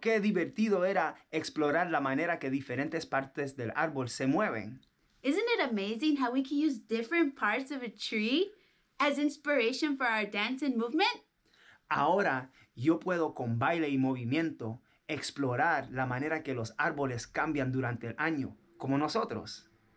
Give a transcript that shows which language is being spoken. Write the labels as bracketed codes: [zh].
[es] ¡Qué divertido era explorar la manera que diferentes partes del árbol se mueven! [en] Isn't it amazing how we can use different parts of a tree as inspiration for our dance and movement? [es] Ahora, yo puedo con baile y movimiento explorar la manera que los árboles cambian durante el año, como nosotros.